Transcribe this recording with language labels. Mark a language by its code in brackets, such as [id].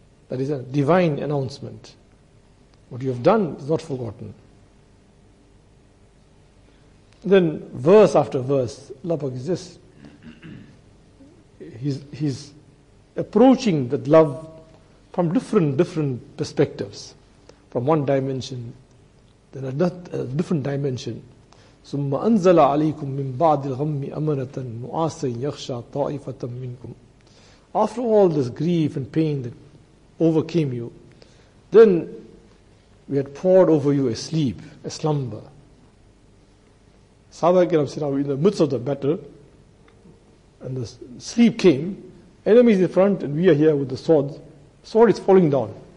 [en] That is a divine announcement. What you have done is not forgotten. Then verse after verse, Allah Pak is this. He's approaching that love from different perspectives. From one dimension, then a different dimension. [ar] ثم أنزل عليكم من بعد الغم أمنة نعاسا يخشى طائفة منكم. [en] After all this grief and pain that overcame you, then we had poured over you a sleep, a slumber. Sahaba Kiram said, in the midst of the battle, and the sleep came, enemies in front and we are here with the sword. Sword is falling down.